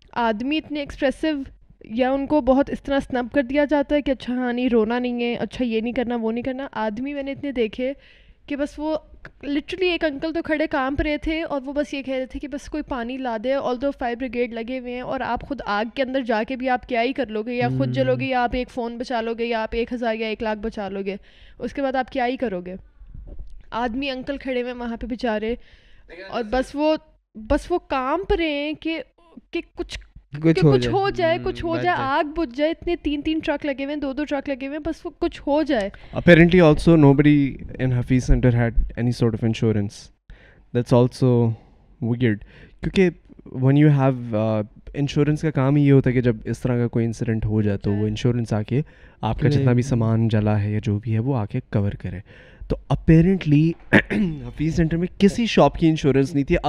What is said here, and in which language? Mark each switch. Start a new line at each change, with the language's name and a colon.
Hindi: आदमी इतने एक्सप्रेसिव या उनको बहुत इस तरह स्नब कर दिया जाता है कि अच्छा हाँ नहीं रोना नहीं है, अच्छा ये नहीं करना वो नहीं करना, आदमी मैंने इतने देखे कि बस वो लिटरली एक अंकल तो खड़े काम पर रहे थे और वो बस ये कह रहे थे कि बस कोई पानी ला दे, ऑल दो फायर ब्रिगेड लगे हुए हैं और आप खुद आग के अंदर जाके भी आप क्या ही कर लोगे, या खुद जलोगे या आप एक फ़ोन बचा लोगे या आप 1000 या 1,00,000 बचा लोगे, उसके बाद आप क्या ही करोगे. आदमी अंकल खड़े हुए वहाँ पर बेचारे और बस वो काम पर रहे हैं कि कुछ हो जाए कुछ हो जाए, आग बुझ जाए, इतने तीन तीन ट्रक लगे हुए, दो दो ट्रक लगे हुए, बस वो कुछ हो जाए.
English: Apparently also nobody in Hafiz Center had any sort of insurance. That's also weird.
Hindi: क्योंकि
English: when you have insurance
Hindi: का काम ही ये होता है कि जब इस तरह का कोई इंसिडेंट हो जाए तो वो इंश्योरेंस आके आपका जितना भी सामान जला है या जो भी है वो आके कवर करे. तो अपेरेंटली हफीज सेंटर में किसी शॉप की इंश्योरेंस नहीं थी.